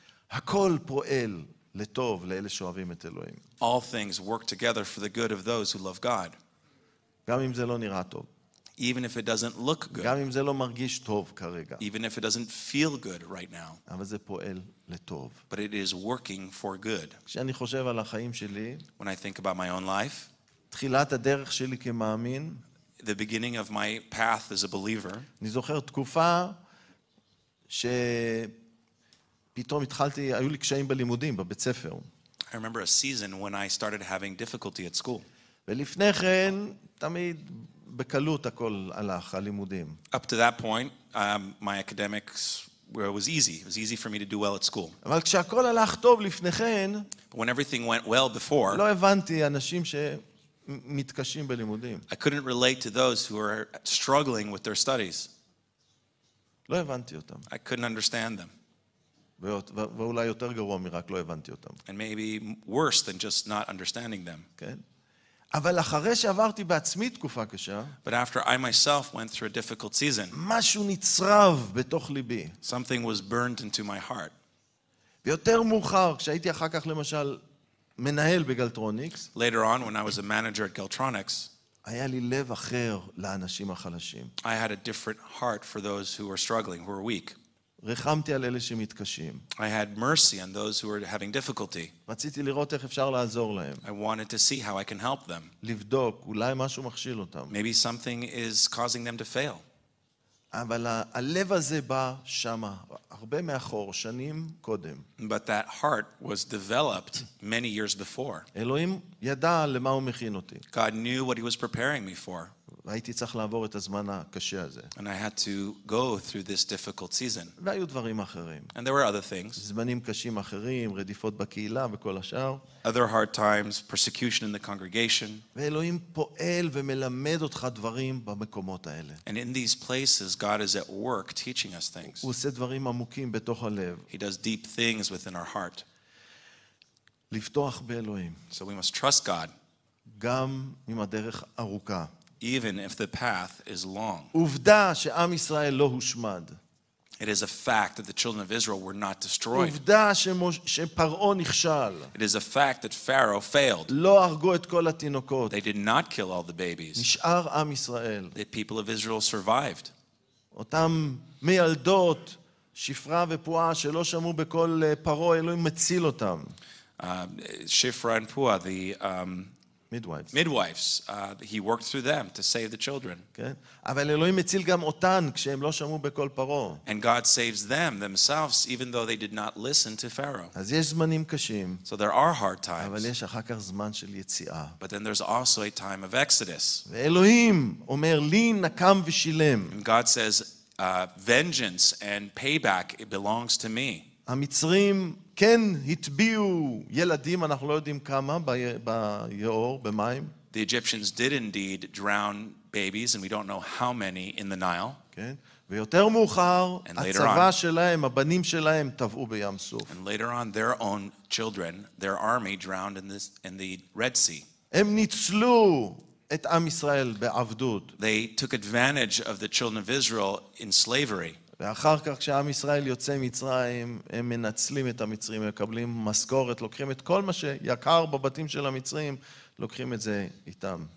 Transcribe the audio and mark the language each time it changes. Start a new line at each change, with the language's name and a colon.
Hebrew: הכל פועל לטוב לאלה שאוהבים את אלוהים.
English: All things work together for the good of those who love God.
Hebrew: גם אם זה לא נראה טוב.
English: Even if it doesn't look good.
Hebrew: גם אם זה לא מרגיש טוב כרגע.
English: Even if it doesn't feel good right now.
Hebrew: אבל זה פועל לטוב.
English: But it is working for good.
Hebrew: כשאני חושב על החיים שלי,
English: When I think about my own life,
Hebrew: תחילת הדרך שלי כמאמין,
English: The beginning of my path as a believer,
Hebrew: אני זוכר תקופה ש פתאום התחלתי, היו לי קשיים בלימודים, בבית ספר.
English: I remember a season when I started having difficulty at school.
Hebrew: ולפני כן, תמיד בקלות הכל הלך, הלימודים.
English: Up to that point, my academics were, was easy. It was easy for me to do well at school.
Hebrew: אבל כשהכל הלך טוב לפני כן,
English: But when everything went well before,
Hebrew: לא הבנתי אנשים שמתקשים בלימודים.
English: I couldn't relate to those who are struggling with their studies.
Hebrew: לא הבנתי אותם.
English: I couldn't understand them.
Hebrew: ואולי יותר גרוע מרק לא הבנתי אותם.
English: And maybe worse than just not understanding them.
Hebrew: כן. אבל אחרי שעברתי בעצמי תקופה קשה,
English: but after I myself went through a difficult season,
Hebrew: משהו נצרב בתוך ליבי.
English: Something was burned into my heart.
Hebrew: ויותר מאוחר, כשהייתי אחר כך למשל מנהל בגלטרוניקס,
English: later on when I was a manager at Galtronics,
Hebrew: היה לי לב אחר לאנשים החלשים.
English: I had a different heart for those who were struggling, who were weak.
Hebrew: רחמתי על אלה שמתקשים.
English: I had mercy on those who were having difficulty.
Hebrew: רציתי לראות איך אפשר לעזור להם.
English: I wanted to see how I can help them.
Hebrew: לבדוק, אולי משהו מכשיל אותם.
English: Maybe something is causing them to fail.
Hebrew: אבל הלב הזה בא שמה, הרבה מאחור, שנים קודם.
English: But that heart was developed many years before.
Hebrew: אלוהים ידע למה הוא מכין אותי.
English: God knew what he was preparing me for.
Hebrew: והייתי צריך לעבור את הזמן הקשה הזה.
English: And I had to go through this difficult season.
Hebrew: והיו דברים אחרים.
English: And there were other things.
Hebrew: זמנים קשים אחרים, רדיפות בקהילה וכל השאר.
English: Other hard times, persecution in the congregation.
Hebrew: ואלוהים פועל ומלמד אותך דברים במקומות האלה.
English: And in these places, God is at work teaching us things.
Hebrew: הוא עושה דברים עמוקים בתוך הלב.
English: He does deep things within our heart.
Hebrew: לפתוח באלוהים.
English: So we must trust God.
Hebrew: גם אם הדרך ארוכה.
English: Even if the path is long.
Hebrew: עובדה שעם ישראל לא הושמד.
English: It is a fact that the children of Israel were not destroyed.
Hebrew: עובדה שפרעה נכשל.
English: It is a fact that Pharaoh failed.
Hebrew: לא הרגו את כל התינוקות.
English: They did not kill all the babies.
Hebrew: נשאר עם ישראל.
English: The people of Israel survived.
Hebrew: אותם מילדות שפרה ופועה שלא שמעו בקול פרעה אלוהים מציל אותם.
English: Shifra and Pua, the midwives. Midwives, he worked through them to save the children.
Hebrew: כן. אבל אלוהים מציל גם אותן כשהם לא שמעו בקול פרעה.
English: And God saves them themselves even though they did not listen to Pharaoh.
Hebrew: אז יש זמנים קשים.
English: So there are hard times.
Hebrew: אבל יש אחר כך זמן של יציאה.
English: But then there's also a time of exodus.
Hebrew: ואלוהים אומר לי נקם ושילם.
English: And God says, vengeance and payback it belongs to me.
Hebrew: המצרים כן התביעו ילדים אנחנו לא יודעים כמה ביאור במים.
English: The Egyptians did indeed drown babies and we don't know how many in the Nile.
Hebrew: כן. ויותר מאוחר הצבא שלהם הבנים שלהם טבעו בים סוף.
English: And later on their own children their army drowned in this in the Red Sea.
Hebrew: הם ניצלו את עם ישראל בעבדות.
English: They took advantage of the children of Israel in slavery.
Hebrew: ואחר כך כשעם ישראל יוצא מצרים הם מנצלים את המצרים מקבלים מסכורת לוקחים את כל מה שיקר בבתים של המצרים לוקחים את זה איתם